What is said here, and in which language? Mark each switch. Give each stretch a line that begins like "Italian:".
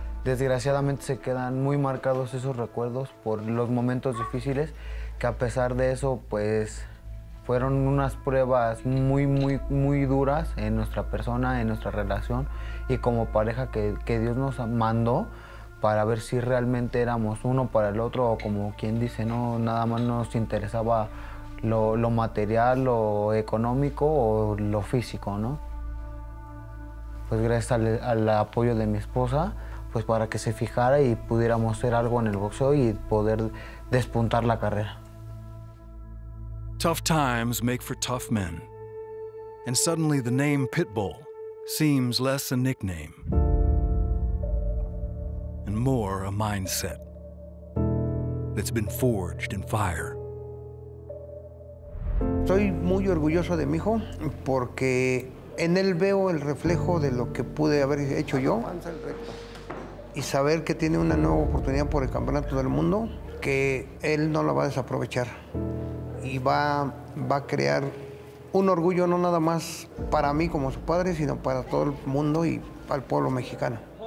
Spanish: Desgraciadamente se quedan muy marcados esos recuerdos por los momentos difíciles, que a pesar de eso, pues fueron unas pruebas muy, muy, muy duras en nuestra persona, en nuestra relación y como pareja que Dios nos mandó para ver si realmente éramos uno para el otro o como quien dice, no, nada más nos interesaba lo material, lo económico o lo físico, ¿no? Pues gracias al apoyo de mi esposa, pues para que se fijara y pudiéramos hacer algo en el boxeo y poder despuntar la carrera.
English: Tough times make for tough men. And suddenly the name Pitbull seems less a nickname and more a mindset that's been forged in fire.
Spanish: Estoy muy orgulloso de mi hijo porque en él veo el reflejo de lo que pude haber hecho yo. Y saber que tiene una nueva oportunidad por el campeonato del mundo, que él no la va a desaprovechar. Y va a crear un orgullo no nada más para mí como su padre, sino para todo el mundo y al pueblo mexicano.